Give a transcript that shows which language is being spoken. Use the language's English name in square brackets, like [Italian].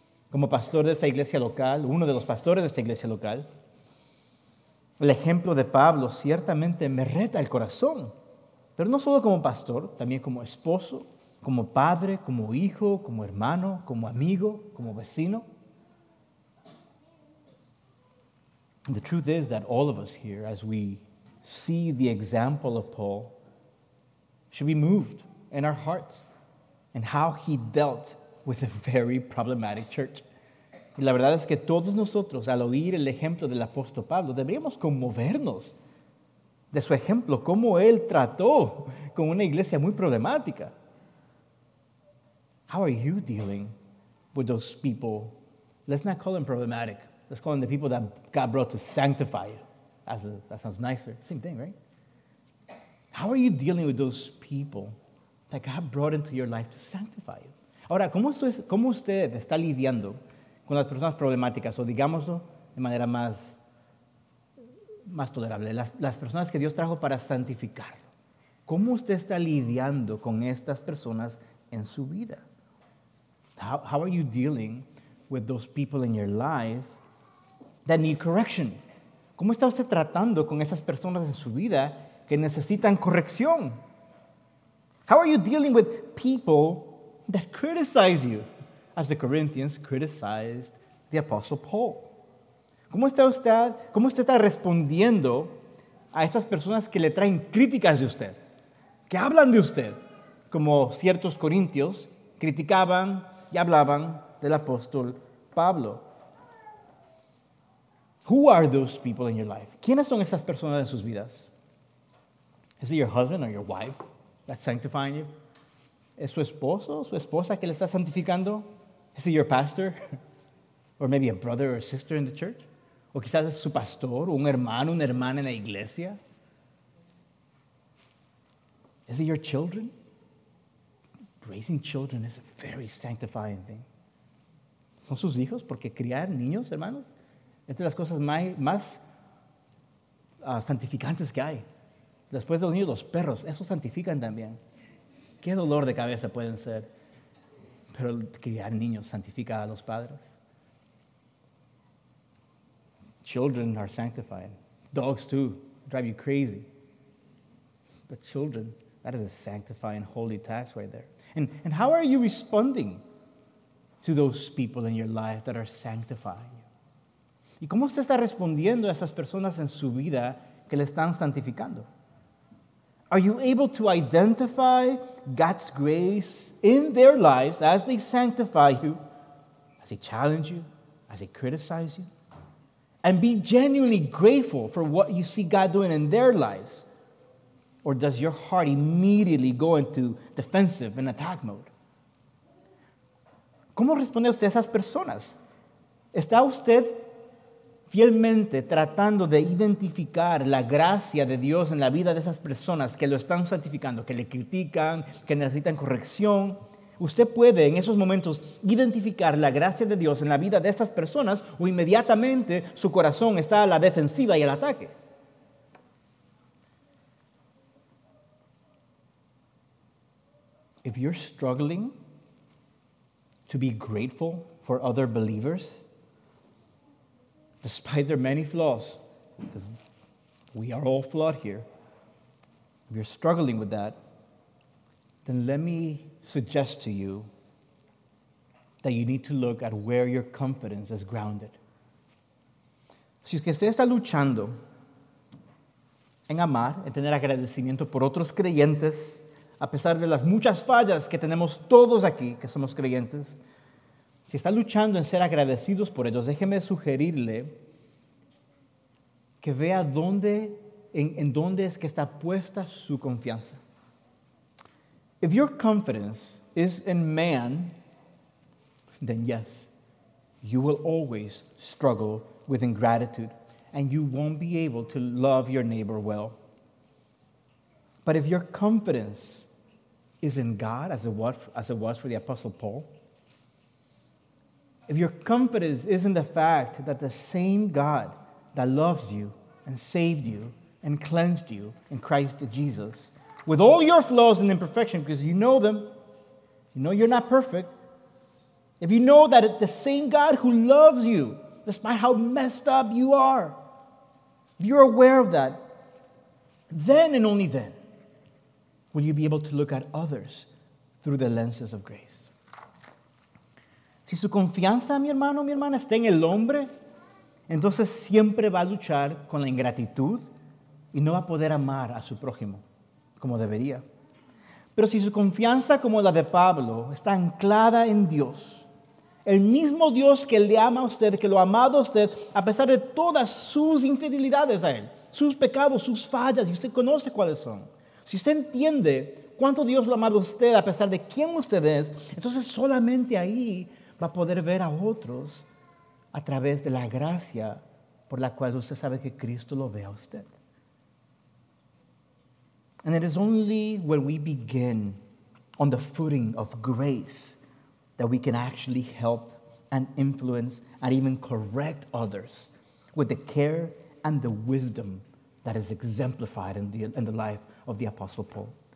[Spanish] Como pastor de esta iglesia local, uno de los pastores de esta iglesia local, el ejemplo de Pablo ciertamente me reta el corazón. Pero no solo como pastor, también como esposo, como padre, como hijo, como hermano, como amigo, como vecino. [English] The truth is that all of us here, as we see the example of Paul, should be moved in our hearts and how he dealt with a very problematic church. [Spanish] Y la verdad es que todos nosotros, al oír el ejemplo del apóstol Pablo, deberíamos conmovernos de su ejemplo, cómo él trató con una iglesia muy problemática. [English] How are you dealing with those people? Let's not call them problematic. Let's call them the people that God brought to sanctify you. That sounds nicer. Same thing, right? How are you dealing with those people that God brought into your life to sanctify you? [Spanish] Ahora, ¿cómo usted está lidiando con las personas problemáticas? O digámoslo de manera más tolerable. Las personas que Dios trajo para santificar. ¿Cómo usted está lidiando con estas personas en su vida? [English] How are you dealing with those people in your life that need correction? [Spanish] ¿Cómo está usted tratando con esas personas en su vida que necesitan corrección? [English] How are you dealing with people that criticize you, as the Corinthians criticized the Apostle Paul? [Spanish] ¿Cómo está usted respondiendo a estas personas que le traen críticas de usted, que hablan de usted, como ciertos corintios criticaban y hablaban del apóstol Pablo? [English] Who are those people in your life? [Spanish] ¿Quiénes son esas personas en sus vidas? [English] Is it your husband or your wife that's sanctifying you? [Spanish] ¿Es su esposo o su esposa que le está santificando? [English] Is it your pastor? Or maybe a brother or sister in the church? [Spanish] ¿O quizás es su pastor o un hermano, una hermana en la iglesia? [English] Is it your children? Raising children is a very sanctifying thing. [Spanish] ¿Son sus hijos? Porque criar niños, hermanos, es de las cosas más santificantes que hay. Después de los niños, los perros, esos santifican también. ¿Qué dolor de cabeza pueden ser? Pero criar niños santifica a los padres. [English] Children are sanctified. Dogs too, drive you crazy. But children, that is a sanctifying, holy task right there. And how are you responding to those people in your life that are sanctifying you? [Spanish] ¿Y cómo usted está respondiendo a esas personas en su vida que le están santificando? [English] Are you able to identify God's grace in their lives as they sanctify you, as they challenge you, as they criticize you, and be genuinely grateful for what you see God doing in their lives? Or does your heart immediately go into defensive and attack mode? [Spanish] ¿Cómo responde usted a esas personas? ¿Está usted fielmente tratando de identificar la gracia de Dios en la vida de esas personas que lo están santificando, que le critican, que necesitan corrección? ¿Usted puede en esos momentos identificar la gracia de Dios en la vida de esas personas o inmediatamente su corazón está a la defensiva y al ataque? [English] If you're struggling to be grateful for other believers, despite their many flaws, because we are all flawed here, if you're struggling with that, then let me suggest to you that you need to look at where your confidence is grounded. [Spanish] Si es que usted está luchando en amar, en tener agradecimiento por otros creyentes, a pesar de las muchas fallas que tenemos todos aquí, que somos creyentes, si está luchando en ser agradecidos por ellos, déjeme sugerirle que vea dónde en dónde es que está puesta su confianza. [English] If your confidence is in man, then yes, you will always struggle with ingratitude and you won't be able to love your neighbor well. But if your confidence is in God, as it was for the Apostle Paul, if your confidence is in the fact that the same God that loves you and saved you and cleansed you in Christ Jesus, with all your flaws and imperfections, because you know them, you know you're not perfect, if you know that the same God who loves you, despite how messed up you are, if you're aware of that, then and only then will you be able to look at others through the lenses of grace. [Spanish] Si su confianza, mi hermano, mi hermana, está en el hombre, entonces siempre va a luchar con la ingratitud y no va a poder amar a su prójimo como debería. Pero si su confianza, como la de Pablo, está anclada en Dios, el mismo Dios que le ama a usted, que lo ha amado a usted, a pesar de todas sus infidelidades a él, sus pecados, sus fallas, y usted conoce cuáles son. Si usted entiende cuánto Dios lo ha amado a usted, a pesar de quién usted es, entonces solamente ahí va a poder ver a otros a través de la gracia por la cual usted sabe que Cristo lo ve a usted. [English] And it is only when we begin on the footing of grace that we can actually help and influence and even correct others with the care and the wisdom that is exemplified in the life of the Apostle Paul.